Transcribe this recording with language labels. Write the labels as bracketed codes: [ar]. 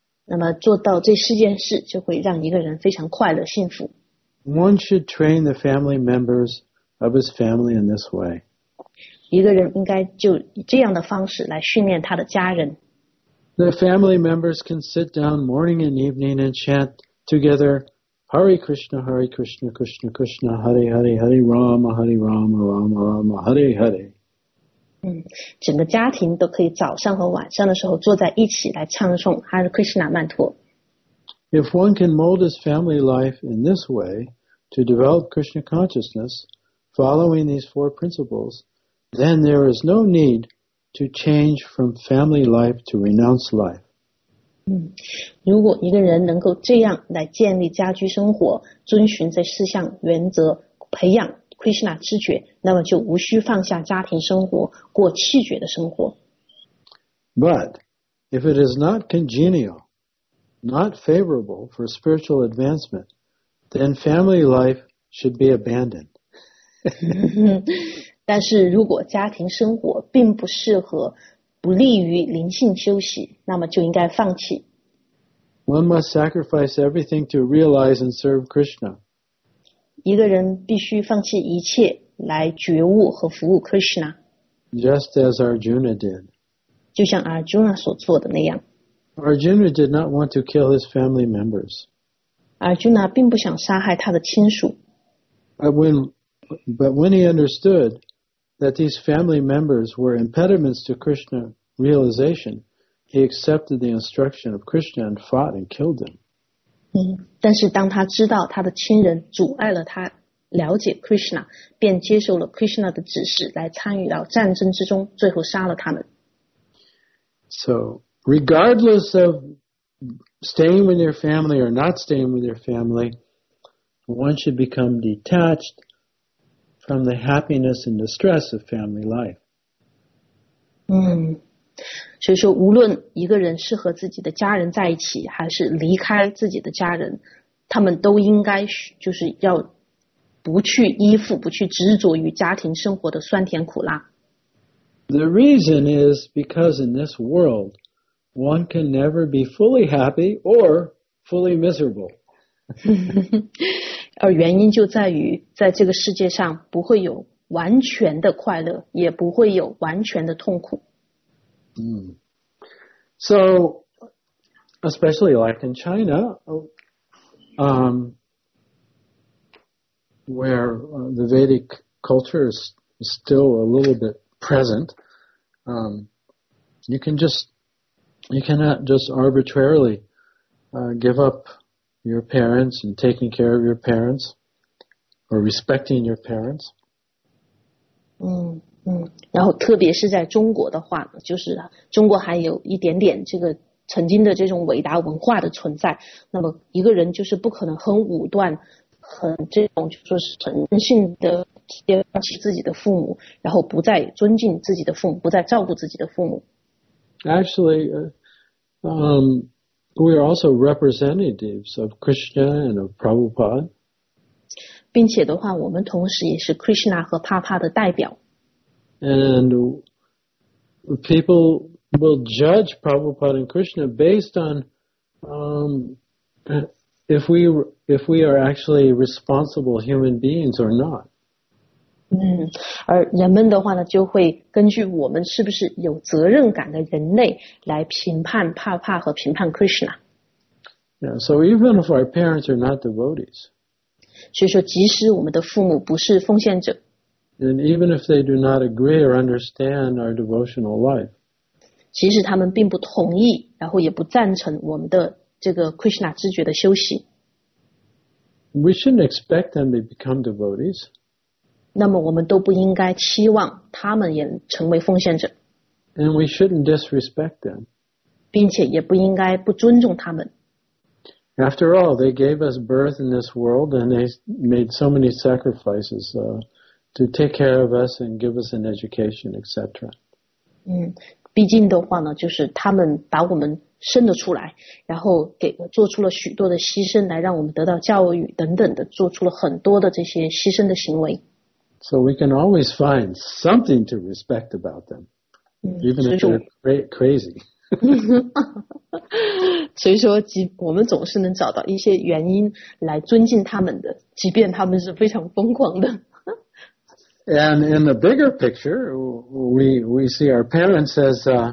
[zh] 那么做到这四件事就会让一个人非常快乐幸福。 [en] One should train the family members of his family in this way. [zh] 一个人应该就以这样的方式来训练他的家人。 [en] The family members can sit down morning and evening and chant together, Hare Krishna, Hare Krishna, Krishna Krishna, Hare Hare, Hare Rama, Hare Rama, Rama Rama, Hare Hare. [zh] 整个家庭都可以早上和晚上的时候坐在一起来唱诵 Hare Krishna 曼陀。 [en] If one can mold his family life in this way to develop Krishna consciousness, following these four principles, then there is no need to change from family life to renounce life. [zh] 如果一个人能够这样来建立家居生活，遵循这四项原则，培养 Krishna 知觉，那么就无需放下家庭生活，过弃觉的生活。 [en] But if it is not congenial, not favorable for spiritual advancement, then family life should be abandoned. [zh] 但是如果家庭生活并不适合，不利于灵性修习，那么就应该放弃。 [en] One must sacrifice everything to realize and serve Krishna. [zh] 一个人必须放弃一切来觉悟和服务 Krishna. [en] Just as Arjuna did. [zh] 就像 Arjuna 所做的那样。 [en] Arjuna did not want to kill his family members. [zh] Arjuna 并不想杀害他的亲属。 [en] But when he understood that these family members were impediments to Krishna realization, he accepted the instruction of Krishna and fought and killed them. [zh] 但是当他知道他的亲人阻碍了他了解 Krishna, 便接受了 Krishna 的指示来参与到战争之中，最后杀了他们。 [en] So,regardless of staying with your family or not staying with your family, one should become detached from the happiness and distress of family life. [zh] 所以说无论一个人是和自己的家人在一起还是离开自己的家人，他们都应该就是要不去依附，不去执着于家庭生活的酸甜苦辣。 [en] The reason is because in this world,One can never be fully happy or fully miserable. [zh] 而原因就在于在这个世界上不会有完全的快乐，也不会有完全的痛苦。 [en] So, especially like in China, where the Vedic culture is still a little bit present, you cannot just arbitrarily give up your parents and taking care of your parents or respecting your parents. [zh] 然后特别是在中国的话，就是中国还有一点点这个曾经的这种伟大文化的存在，那么一个人就是不可能很武断，很这种就是神性的放弃自己的父母，然后不再尊敬自己的父母，不再照顾自己的父母。 [en] Actually, we are also representatives of Krishna and of Prabhupada. [zh] 并且的话，我们同时也是 Krishna 和 Papa 的代表。 [en] And people will judge Prabhupada and Krishna based on if we are actually responsible human beings or not. [zh] 而人们的话呢，就会根据我们是不是有责任感的人类来评判帕帕和评判 Krishna。 [en] Yeah, so even if our parents are not devotees, [zh] 所以说即使我们的父母不是奉献者， [en] and even if they do not agree or understand our devotional life, [zh] 即使他们并不同意，然后也不赞成我们的这个 Krishna 知觉的修行， [en] we shouldn't expect them to become devotees. [zh] 那么我们都不应该期望他们也成为奉献者。 [en] And we shouldn't disrespect them. [zh] 并且也不应该不尊重他们。 [en] After all, they gave us birth in this world and they made so many sacrifices to take care of us and give us an education, etc. [zh] 毕竟的话呢，就是他们把我们生了出来，然后给做出了许多的牺牲来让我们得到教育等等的，做出了很多的这些牺牲的行为。 [en] So we can always find something to respect about them, even if they're crazy. [zh] 所以说，我们总是能找到一些原因来尊敬他们的，即便他们是非常疯狂的。 [en] And in the bigger picture, we see our parents as